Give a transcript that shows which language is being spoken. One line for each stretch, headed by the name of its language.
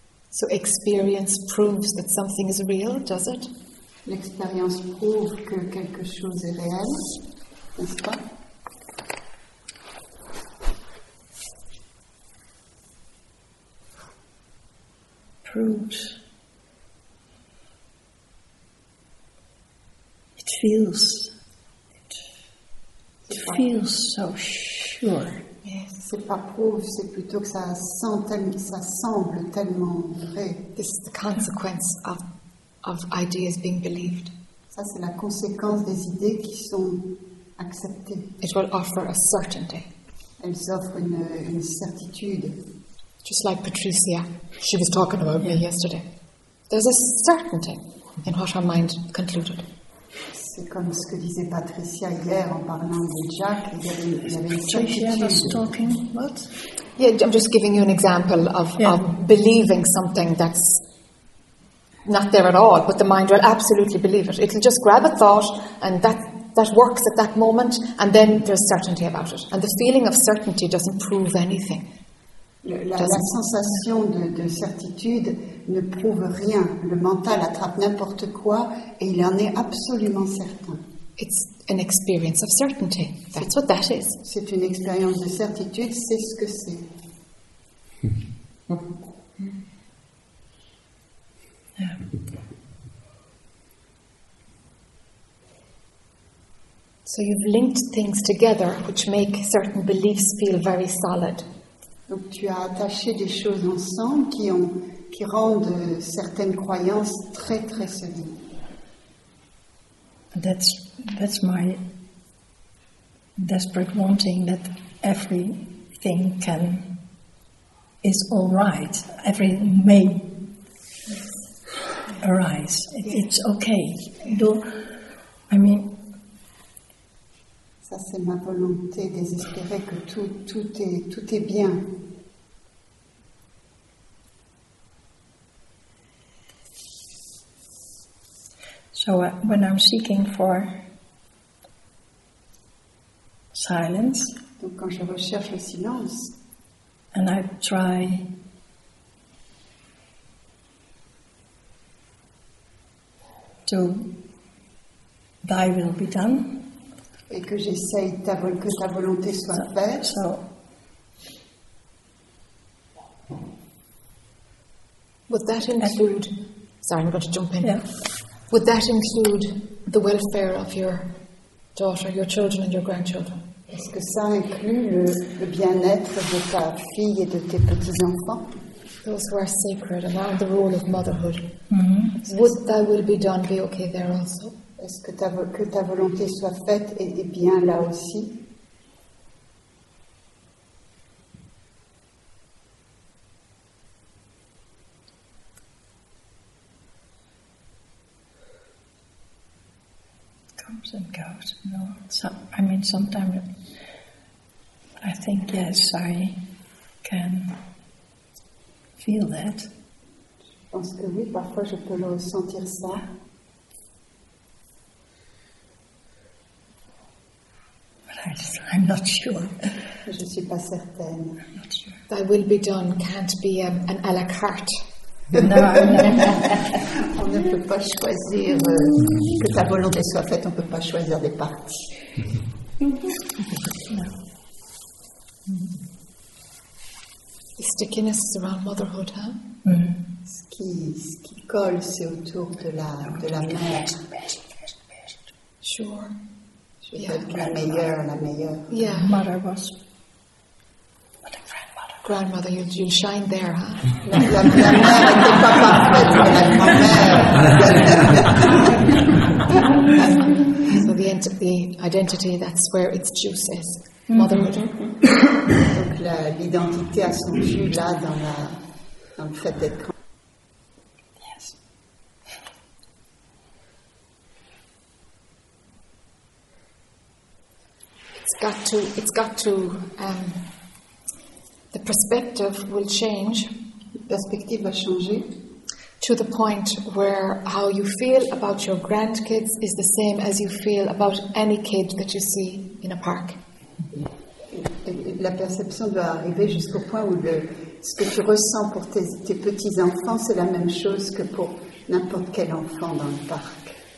English: so experience proves that something is real, does it?
French: L'expérience prouve que quelque chose est réel, n'est-ce pas?
English: Proves. It feels. It feels so sure. Yes.
French: C'est pas prouve, c'est plutôt que ça semble tellement vrai.
English: This is the consequence of ideas being believed.
French: Ça, c'est la conséquence des idées qui sont acceptées.
English: It will offer a certainty.
French: Elles offrent une certitude.
English: Just like Patricia, she was talking about me yesterday. There's a certainty in what her mind concluded.
French: C'est comme ce que disait Patricia hier en parlant de Jack.
English: Yeah, I'm just giving you an example of believing something that's not there at all, but the mind will absolutely believe it. It'll just grab a thought, and that works at that moment, and then there's certainty about it. And the feeling of certainty doesn't prove anything.
French: La sensation de certitude ne prouve rien. Le mental attrape n'importe quoi et il en est absolument certain.
English: It's an experience of certainty. That's what that is.
French: C'est une expérience de certitude, c'est ce que c'est.
English: So you've linked things together which make certain beliefs feel very solid.
French: Donc tu as attaché des choses ensemble qui ont qui rendent certaines croyances très très solides.
English: That's my desperate wanting that everything can is all right. Everything may arise. It's okay.
French: Ça c'est ma volonté désespérée que tout est bien.
English: So when I'm seeking for silence,
French: donc quand je recherche le silence,
English: and I try to thy will be done,
French: et que j'essaye que ta volonté soit faite.
English: So, would that include? Sorry, I'm going to jump in. Yeah. Would that include the welfare of your daughter, your children, and your grandchildren?
French: Est-ce que ça inclut le bien-être de ta fille et de tes petits-enfants?
English: Those who are sacred and are the role of motherhood. Mm-hmm. Would thy will be done be okay there also?
French: Est-ce que ta volonté soit faite et bien là aussi?
English: Comes and goes, no. Sometimes I think yes, I can feel that.
French: Je pense que oui, parfois je peux le ressentir ça.
English: I'm not sure.
French: Je suis pas certaine.
English: I'm not sure. Thy will be done can't be an à la carte. No,
French: on ne peut pas choisir que ta volonté soit faite. On ne peut pas choisir des parties.
English: The stickiness is around motherhood, huh? Mm-hmm.
French: Ce qui colle, c'est autour de la mère.
English: Best. Sure.
French: La meilleure.
English: Yeah. Mother was. What a grandmother. Grandmother, you'll shine there, huh?
French: La mère était pas parfaite, mais la grand-mère.
English: So the identity, that's where its juice is. Motherhood.
French: Donc l'identité a son jus là dans le fait d'être grand.
English: It's got to, the perspective will change.
French: Perspective va changer.
English: To the point where how you feel about your grandkids is the same as you feel about any kid that you see in a park.
French: La perception doit arriver jusqu'au point où ce que tu ressens pour tes petits enfants, c'est la même chose que pour n'importe quel enfant dans le parc.